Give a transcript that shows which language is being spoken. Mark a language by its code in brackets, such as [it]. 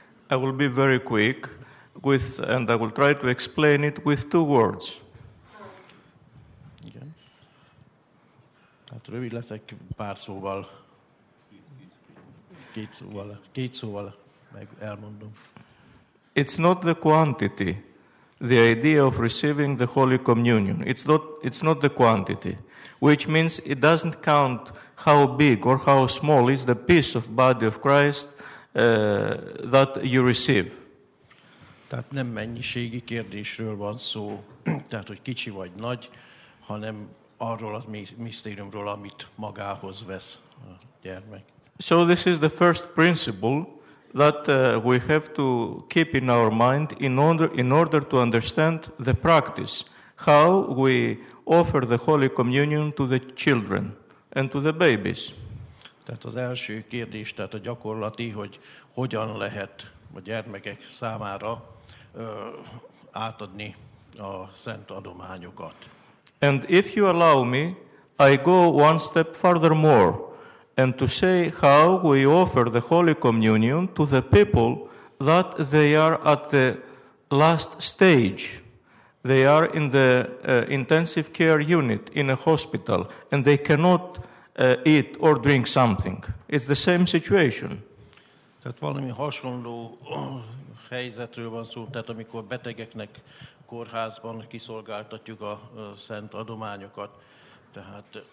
[en] I will be very quick with, and I will try to explain it with two words. [hu] Igen. Tehát rövid leszek pár szóval. Két szóval meg elmondom. [en] It's not the quantity. The idea of receiving the Holy Communion. It's not the quantity, which means it doesn't count how big or how small is the piece of body of Christ that you receive. [hu] Tehát nem mennyiségi kérdésről van szó, tehát hogy kicsi vagy nagy, hanem arról a misztériumról, amit magához vesz a gyermek. [en] So this is the first principle that we have to keep in our mind in order to understand the practice, how we offer the Holy Communion to the children and to the babies. [hu] Tehát az első kérdés, tehát a gyakorlati, hogy hogyan lehet a gyermekek számára átadni a szent adományokat. [en] And if you allow me, I go one step further more. And to say how we offer the Holy Communion to the people that they are at the last stage. They are in the intensive care unit in a hospital and they cannot eat or drink something. It's the same situation. [hu] Tehát valami hasonló helyzetről van szó, tehát amikor betegeknek kórházban kiszolgáltatjuk a szent adományokat, tehát...